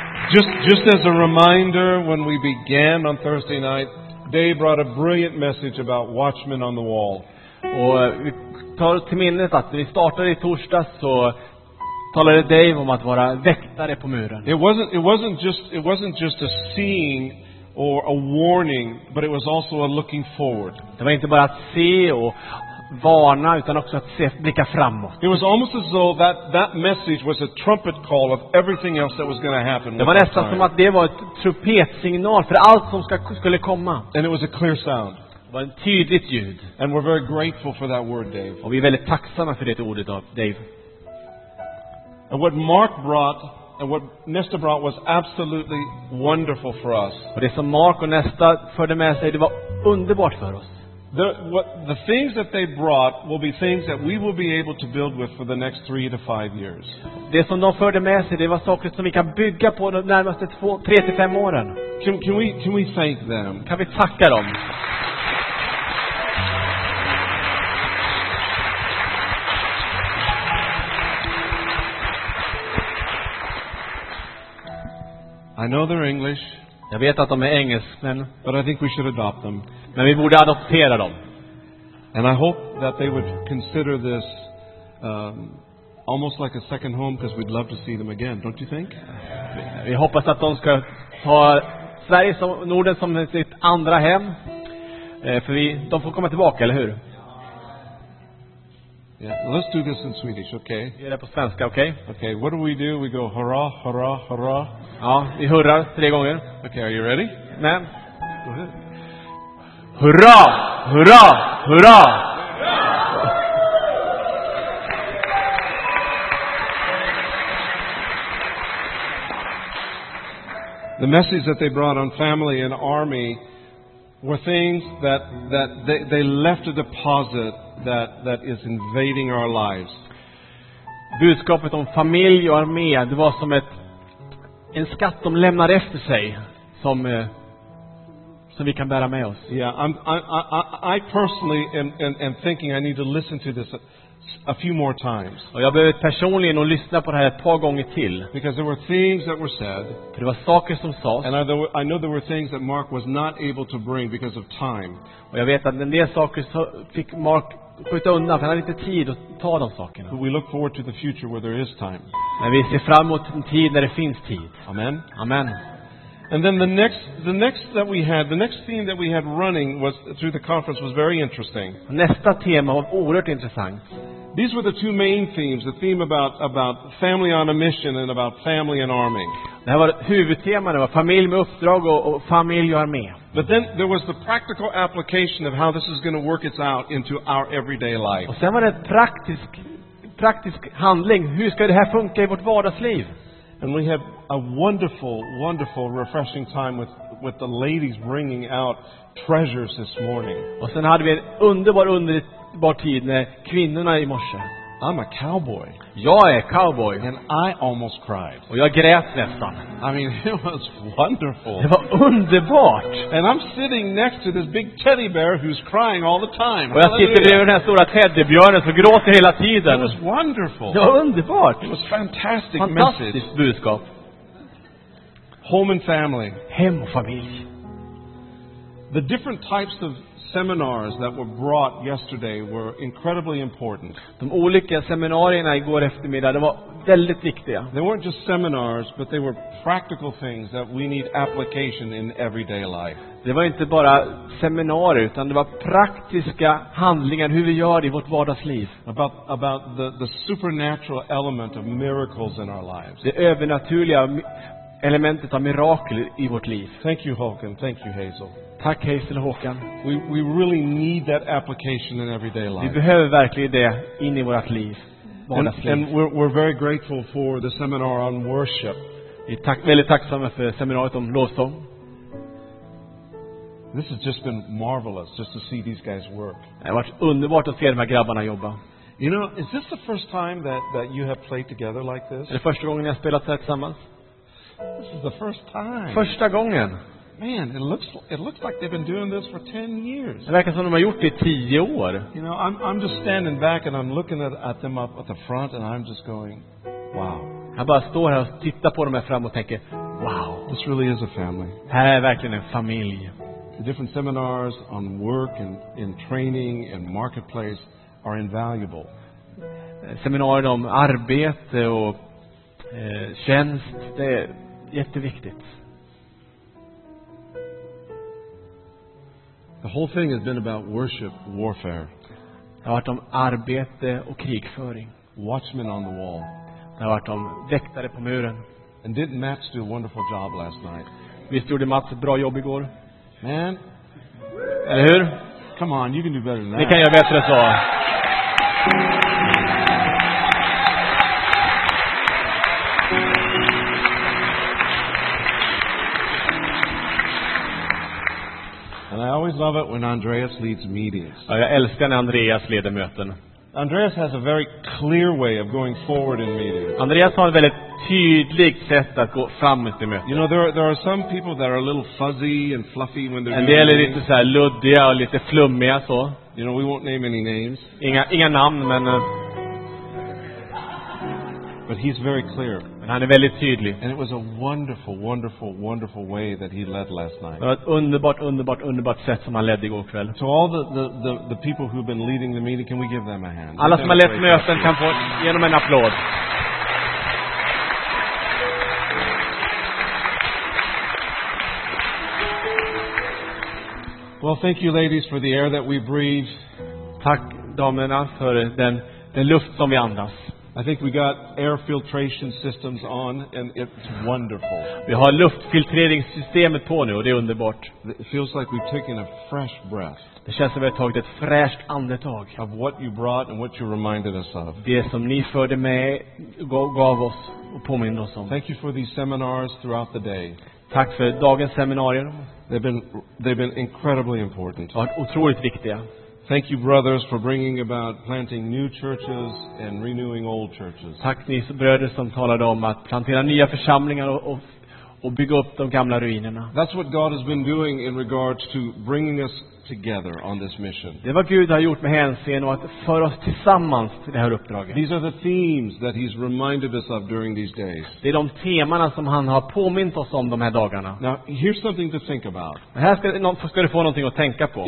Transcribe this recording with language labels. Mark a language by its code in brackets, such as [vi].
[en] Just as a reminder, when we began on Thursday night, Dave brought a brilliant message about watchmen on the wall. [sv] Och vi tar till minnet att när vi startade i torsdags så talade Dave om att vara väktare på muren. [en] It wasn't just a seeing or a warning, but it was also a looking forward. [sv] Det var inte bara att se och varna, utan också att se, blicka framåt. [en] It was almost as though that message was a trumpet call of everything else that was going to happen. [sv] Det var nästan som att det var ett trumpetsignal för allt som skulle komma. [en] And it was a clear sound. [sv] Det var en tydligt ljud. [en] And we're very grateful for that word, Dave. [sv] Och vi är väldigt tacksamma för det ordet, Dave. [en] And what Mark brought and what Nesta brought was absolutely wonderful for us. [sv] Och det som Mark och Nesta förde med sig, det var underbart för oss. [en] The things that they brought will be things that we will be able to build with for the next 3 to 5 years. [sv] Det som de förde med sig, det var saker som vi kan bygga på de närmaste 3 till 5 åren. [en] Can we thank them? [sv] Kan vi tacka dem? [en] I know they're English. [sv] Jag vet att de är engelsmän. [en] But I think we should adopt them. [sv] Men vi borde adoptera dem. [en] And I hope that they would consider this almost like a second home, because we'd love to see them again, don't you think? [sv] Vi hoppas att de ska ta Sverige som Norden som sitt andra hem. För de får komma tillbaka, eller hur? [en] Yeah, let's do this in Swedish, okay? [sv] Vi gör det på svenska, okej? [en] Okay, what do? We go hurra, hurra, hurra. [sv] Ja, vi hurrar 3 gånger. [en] Okay, are you ready? [sv] Nej. [en] Go ahead. [sv] Hurra! Hurra! Hurra! [en] The message that they brought on family and army were things that they left a deposit that is invading our lives. [sv] Budskapet om familj och armé, det var som en skatt de lämnar efter sig som vi kan bära med oss. [en] Yeah, I personally am thinking I need to listen to this a few more times. [sv] Och jag behöver personligen att lyssna på det här ett par gånger till. [en] Because there were things that were said. [sv] Det var saker som sades. [en] And I know there were things that Mark was not able to bring because of time. [sv] Och jag vet att den där saker fick Mark skjuta undan, för han hade inte tid att ta de sakerna. [en] But we look forward to the future where there is time. [sv] Men vi ser fram emot en tid när det finns tid. [en] Amen. [sv] Amen. [en] And then the next theme that we had running was through the conference was very interesting. [sv] Nästa tema var oerhört intressant. [en] These were the two main themes, the theme about family on a mission and about family and army. [sv] Det var huvudtemat, det var familj med uppdrag och familj och armé. [en] But then there was the practical application of how this is going to work its out into our everyday life. [sv] Och sen var det praktisk handling, hur ska det här funka i vårt vardagsliv? [en] And we have a wonderful, wonderful, refreshing time with the ladies bringing out treasures this morning. [sv] Och sen hade vi en underbar tid med kvinnorna i morse. [en] I'm a cowboy. [sv] Jag är cowboy. [en] And I almost cried. [sv] Och jag grät nästan. [en] I mean, it was wonderful. [sv] Det var underbart. [en] And I'm sitting next to this big teddy bear who's crying all the time. [sv] Och jag sitter bredvid den här stora teddybjörnen som gråter hela tiden. [en] It was wonderful. [sv] Det var underbart. [en] It was fantastic message. [sv] Budskap. [en] Home and family. [sv] Hem och familj. [en] The different types of seminars that were brought yesterday were incredibly important. [sv] De olika seminarierna igår eftermiddag, det var väldigt viktiga. [en] They weren't just seminars, but they were practical things that we need application in everyday life. [sv] Det var inte bara seminarier, utan det var praktiska handlingar hur vi gör det i vårt vardagsliv. [en] About the supernatural element of miracles in our lives. [sv] Det övernaturliga elementet av mirakel i vårt liv. [en] Thank you, Håkan. Thank you, Hazel. [sv] Tack, Hazel och Håkan. [en] We really need that application in everyday life. [sv] Vi behöver verkligen det in i vårt liv. [en] And we're very grateful for the seminar on worship. [sv] Vi är väldigt tacksamma för seminariet om lovsång. [en] This has just been marvelous just to see these guys work. [sv] Det var underbart att se de här grabbarna jobba. [en] You know, is this the first time that you have played together like this? [sv] Är det första gången ni har spelat så här tillsammans? [en] This is the first time. [sv] Första gången. [en] Man, it looks like they've been doing this for 10 years. [sv] Det verkar som de har gjort det i 10 år. [en] You know, I'm just standing back and I'm looking at them up at the front and I'm just going, wow. [sv] Jag bara står här och tittar på dem här fram och tänker, wow. [en] This really is a family. [sv] Här är verkligen en familj. [en] The different seminars on work and in training and marketplace are invaluable. [sv] Seminarier om arbete och tjänst, det är jätteviktigt. [en] The whole thing has been about worship warfare. [sv] Det har varit om arbete och krigföring. [en] Watchmen on the wall. [sv] Det har varit om väktare på muren. [en] And didn't Mats do a wonderful job last night? [sv] Visst gjorde Mats ett bra jobb igår? [en] Man. [sv] Eller hur? [en] Come on, you can do better than that. [sv] Ni kan göra bättre så. [en] I always love it when Andreas leads meetings. [sv] Ja, jag älskar när Andreas leder möten. [en] Andreas has a very clear way of going forward in meetings. [sv] Andreas har ett väldigt tydligt sätt att gå framåt i möten. [en] You know, there are some people that are a little fuzzy and fluffy when they're. [sv] En del är lite så här luddiga och lite flummiga så. [en] You know, we won't name any names. [sv] Inga namn, men. [en] But he's very clear. [sv] Men han är väldigt tydlig. [en] And it was a wonderful, wonderful, wonderful way that he led last night. [sv] Det var ett underbart, underbart, underbart sätt som han ledde igår kväll. [en] So all the people who've been leading the meeting, can we give them a hand? [sv] Alla som har lett möten kan få genom en applåd. [en] Well, thank you ladies for the air that we breathe. [sv] Tack damerna för den luft som vi andas. [en] I think we got air filtration systems on and it's wonderful. [sv] Vi har luftfiltreringssystemet på nu och det är underbart. [en] It feels like we've taken a fresh breath. [sv] Det känns som vi har tagit ett fräscht andetag. [en] Of what you brought and what you reminded us of. [sv] Det som ni förde med gav oss och påminner oss om. [en] Thank you for these seminars throughout the day. [sv] Tack för dagens seminarier. [en] They've been incredibly important. [sv] Och otroligt viktiga. [en] Thank you, brothers, for bringing about planting new churches and renewing old churches. [sv] Tack ni bröder som talade om att plantera nya församlingar och bygga upp de gamla ruinerna. [en] That's what God has been doing in regards to bringing us together on this mission. [sv] Det var Gud har gjort med hänsyn och att föra oss tillsammans till det här uppdraget. [en] These are the themes that he's reminded us of during these days. [sv] Det är de temana som han har påmint oss om de här dagarna. [en] Now, here's something to think about. [sv] Här ska du få någonting att tänka på.